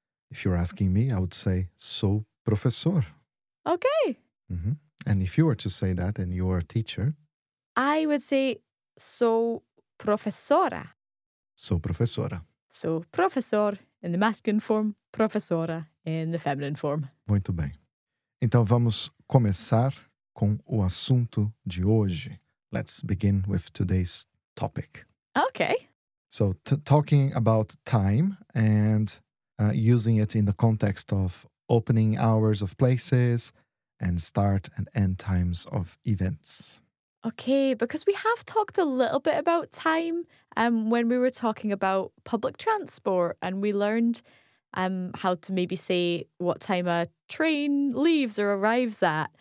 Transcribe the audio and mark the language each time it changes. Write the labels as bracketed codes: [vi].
[en] If you're asking me, I would say, [pt] sou professor. [en] Okay. Mm-hmm. And if you were to say that, and you're a teacher? I would say, [pt] sou professora. Sou professora. [en] So, professor in the masculine form, professora in the feminine form. [pt] Muito bem. Então, vamos começar com o assunto de hoje. [en] Let's begin with today's topic. Okay. So, talking about time and using it in the context of opening hours of places and start and end times of events. Okay, because we have talked a little bit about time when we were talking about public transport and we learned how to maybe say what time a train leaves or arrives at.